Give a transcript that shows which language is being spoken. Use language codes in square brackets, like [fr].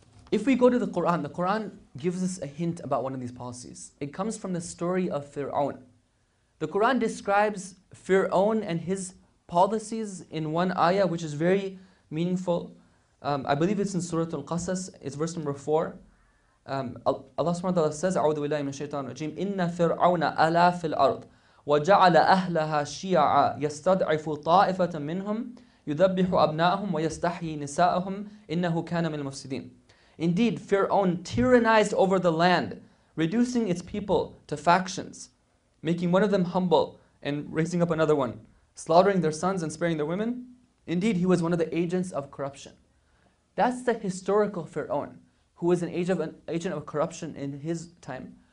[en] If we go to the Quran gives us a hint about one of these policies. It comes from the story of Fir'aun. The Quran describes Fir'aun and his policies in one ayah, which is very meaningful. I believe it's in Surah Al-Qasas, it's verse number 4. Allah subhanahu wa ta'ala says, [ar] أعوذ بالله من الشيطان الرجيم إِنَّ فِرْعَوْنَ أَلَا فِي الْأَرْضِ وَجَعَلَ أَهْلَهَا شِيَعًا يَسْتَضْعِفُ طَائِفَةً مِّنْهُمْ يُذَبِّحُ أَبْنَاءَهُمْ وَيَسْتَحْيِي نِسَاءَهُمْ إِنَّهُ كَانَ مِنَ الْمُفْسِدِينَ. [en] Indeed, Fir'aun tyrannized over the land, reducing its people to factions, making one of them humble and raising up another one, slaughtering their sons and sparing their women. Indeed, he was one of the agents of corruption. That's the historical Fir'aun, who was an agent of corruption in his time.